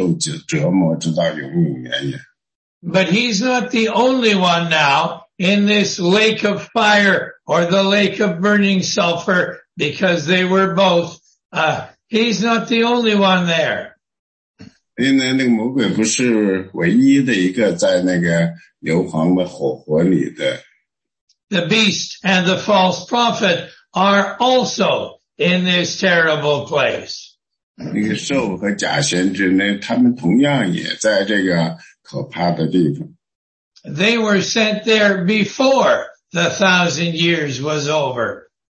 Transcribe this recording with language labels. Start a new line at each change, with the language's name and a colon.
Chinese: 我就会说呢，你这还是这是一个非常公平公正的审判，就是你看看魔鬼他所干的一切的坏事，他就是要昼夜受折磨，直到永永远远。
English: But he's not the only one now in this lake of fire or the lake of burning sulfur, because they were both. He's not the only one there.
Chinese: 因为那个魔鬼不是唯一的一个在那个硫磺的火里的。
English: The beast and the false prophet are also in this terrible place.
Chinese: 那个兽和假先知呢，他们同样也在这个。
English: They were sent there before the 1,000 years was over.